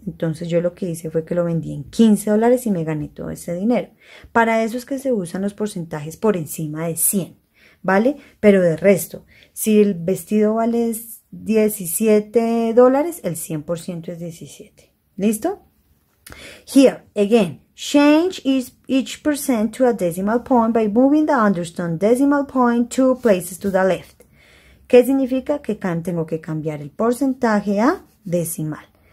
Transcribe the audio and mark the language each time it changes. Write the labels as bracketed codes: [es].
[es] Entonces yo lo que hice fue que lo vendí en $15 y me gané todo ese dinero. Para eso es que se usan los porcentajes por encima de 100, ¿vale? Pero de resto, si el vestido vale $17, el 100% es 17. ¿Listo? [en] Here, again, change each percent to a decimal point by moving the underscore decimal point 2 places to the left. [es] ¿Qué significa? Que tengo que cambiar el porcentaje a decimal.